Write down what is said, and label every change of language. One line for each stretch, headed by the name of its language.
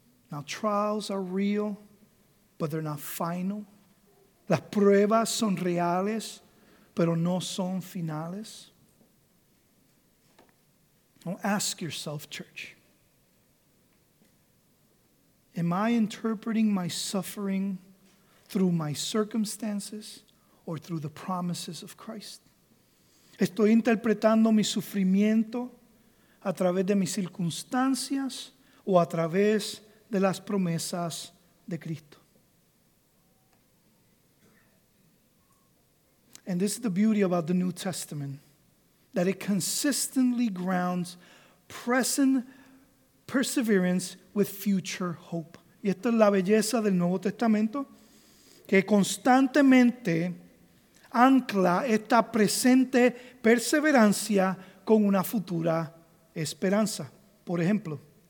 English: Now, trials are real, but they're not final.
Spanish: Las pruebas son reales, pero no son finales.
English: Now, ask yourself, church, am I interpreting my suffering through my circumstances or through the promises of Christ?
Spanish: ¿Estoy interpretando mi sufrimiento a través de mis circunstancias o a través de las promesas de Cristo?
English: And this is the beauty about the New Testament, that it consistently grounds present perseverance with future hope.
Spanish: Y esta es la belleza del Nuevo Testamento, que constantemente ancla esta presente perseverancia con una futura esperanza. Por ejemplo,